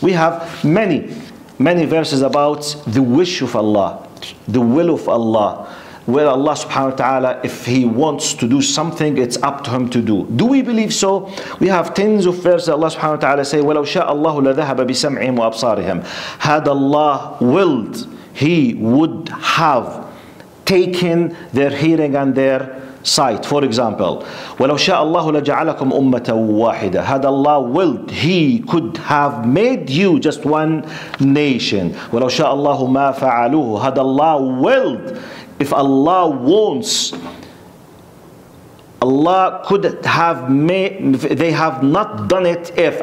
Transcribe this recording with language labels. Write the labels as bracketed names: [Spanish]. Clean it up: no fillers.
[English] We have many, many verses about the wish of Allah, the will of Allah, where Allah subhanahu wa ta'ala, if He wants to do something, it's up to Him to do. Do we believe so? We have tens of verses Allah subhanahu wa ta'ala say, [Arabic] وَلَوْ شَاءَ اللَّهُ لَذَهَبَ بِسَمْعِهِمْ وَأَبْصَارِهِمْ. [English] Had Allah willed, He would have taken their hearing and their sight. For example, [Arabic] وَلَوْ شَاءَ اللَّهُ لَجَعَلَكُمْ أُمَّةً وَاحِدَةً. [English] Had Allah willed, He could have made you just one nation. [Arabic] وَلَوْ شَاءَ اللَّهُ مَا فَعَلُوهُ. [English] Had Allah willed, if Allah wants, Allah could have made, they have not done it if.